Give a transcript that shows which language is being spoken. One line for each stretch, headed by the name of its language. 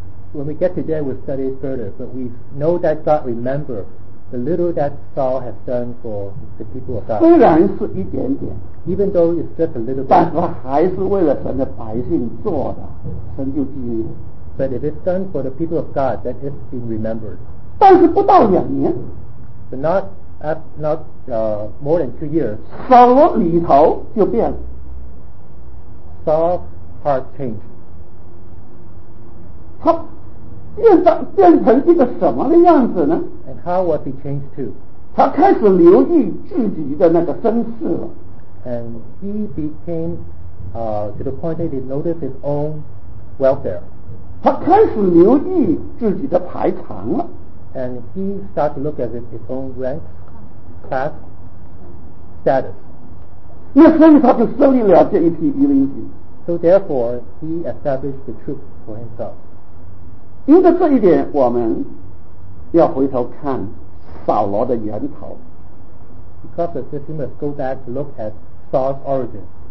English: When we get to there, we'll study it further. But we know that God remembers the little that Saul has done for the people of God.
Chinese: 虽然是一点点
English: even though it's just a little bit,
Chinese: 但是还是为了神的百姓做的，神就纪念。
English: But if it's done for the people of God, then it's been remembered.
Chinese: 但是不到两年
English: but not, not more than 2 years,
Chinese: 扫罗里头就变了。
English: Saul's heart changed.
Chinese: 他变成一个什么的样子呢
English: and how was he changed to
Chinese: 他开始留意自己的那个身世了
English: and he became to the point that he noticed his own welfare
Chinese: 他开始留意自己的排场了
English: and he started to look at his own rank class status
Chinese: 那所以他就设立了这一批御林军
English: so therefore he established the troops for himself
Chinese: 因着这一点我们要回头看扫罗的源头
English: because of this we must go back to look at Saul's origin